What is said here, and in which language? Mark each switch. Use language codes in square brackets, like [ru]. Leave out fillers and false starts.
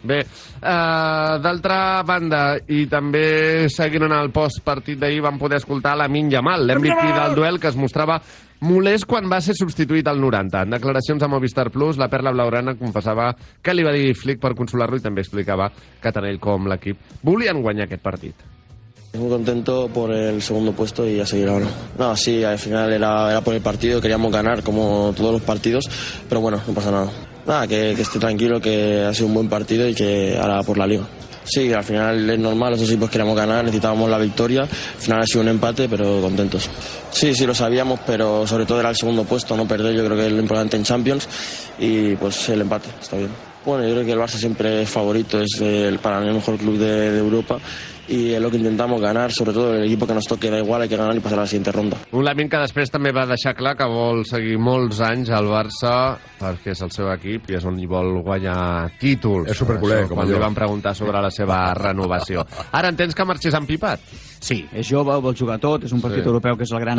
[ca] Bé, d'altra banda, i també seguint en el postpartit d'ahir, vam poder escoltar Lamine Yamal, l'MVP del duel, que es mostrava molest quan va ser substituït al 90. En declaracions a Movistar Plus, la Perla Blaurana confessava que li va dir Flick per consolar-lo i també explicava que tant ell com l'equip volien guanyar aquest partit. [es] Muy contento por el segundo puesto y a seguir ahora. No, sí, al final era por el partido, queríamos ganar como todos los partidos, pero bueno, no pasa nada. Nada, que esté tranquilo, que ha sido un buen partido y que ahora por la liga. Sí, al final es normal, los dos equipos queríamos ganar, necesitábamos la victoria. Al final ha sido un empate, pero contentos. Sí, sí, lo sabíamos, pero sobre todo era el segundo puesto, no perder, yo creo que es lo importante en Champions. Y pues el empate, está bien. Bueno, yo creo que el Barça siempre es favorito, es para mí el mejor club de Europa. [ca] I és el que [es] intentamos ganar, [ca] sobretot [es] l'equip que nos toque, da igual, hay que ganar i passar a la siguiente ronda. [ca] Un Lamine que després també va deixar clar que vol seguir molts anys al Barça perquè és el seu equip i és on hi vol guanyar títols. És superculer, quan li van preguntar sobre la seva renovació. Ara entens que marxés en pipat? Sí, és jove, vol jugar tot, és un partit europeu que és el gran